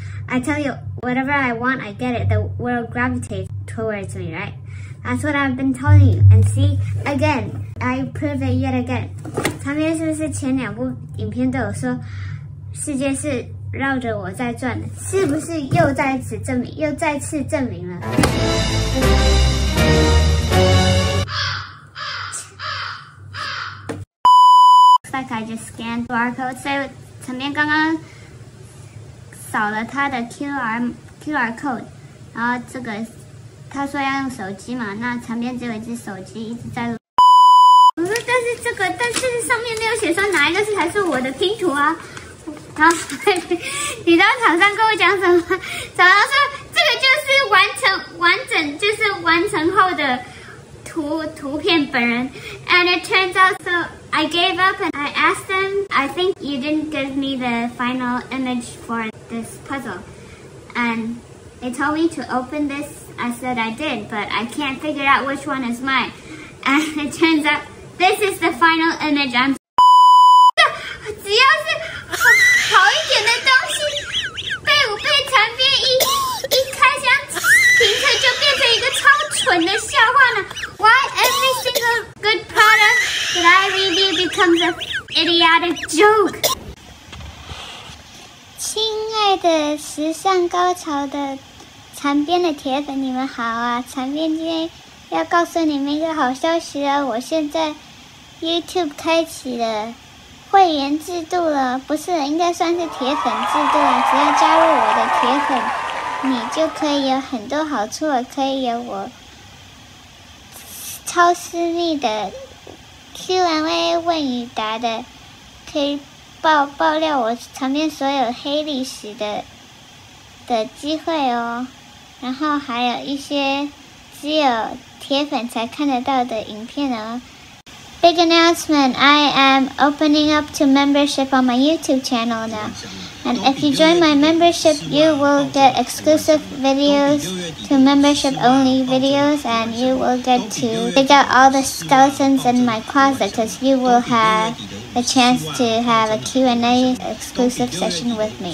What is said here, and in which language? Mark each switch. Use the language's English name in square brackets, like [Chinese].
[English] I tell you, whatever I want, I get it. The world gravitates towards me, right? That's what I've been telling you. And see, again, I prove it yet again. [Chinese] 他们是不是前两部影片都有说世界是绕着我在转的？是不是又再次证明，又再次证明了？ [English] I just scanned QR code. [Chinese] 所以陈编刚刚扫了他的 QR code, 然后这个他说要用手机嘛，那陈编只有一只手机一直在。我说但是这个，但是上面没有写说哪一个是才是我的拼图啊。然后你知道厂商跟我讲什么？厂商说这个就是完整，就是完成后的图片本人。 [English] And it turns out so. I gave up and I asked them, I think you didn't give me the final image for this puzzle. And they told me to open this, I said I did, but I can't figure out which one is mine. And it turns out, this is the final image I'm... [Chinese] 只要是好一点的东西被陈编一开箱评测就变成一个超蠢的笑话呢。 [English] Why every single good product that I review becomes an idiotic joke? [Chinese] 亲爱的时尚高潮的缠边的铁粉，你们好啊！缠边今天要告诉你们一个好消息了，我现在 YouTube 开启了会员制度了，不是，应该算是铁粉制度了。只要加入我的铁粉，你就可以有很多好处了，可以有我。超私密的 Q&A 问与答的，可以爆料我场面所有黑历史的机会哦，然后还有一些只有铁粉才看得到的影片哦。 [English] Big announcement, I am opening up to membership on my YouTube channel now, and if you join my membership, you will get exclusive videos to membership only videos, and you will get to dig out all the skeletons in my closet, because you will have a chance to have a Q&A exclusive session with me.